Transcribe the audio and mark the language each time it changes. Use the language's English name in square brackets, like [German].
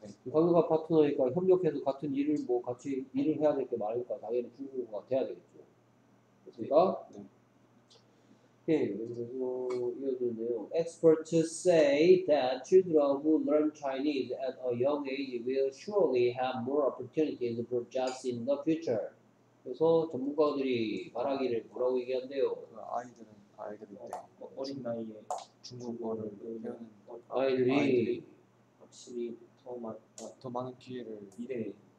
[Korean] 관계가 파트너니까 협력해서 같은 일을 뭐 같이 일을 해야 될 게 많으니까 당연히 중국어가 돼야 되겠죠. 그러니까 이어지는 [English] experts say that children who learn Chinese at a young age will surely have more opportunities for jobs in the future. [Korean] 그래서 전문가들이 말하기를 뭐라고 얘기한대요. 아이들은 아이들 때 어린 나이에 중국어를 배우는 아이들이 확실히 더 많은 기회를 미래에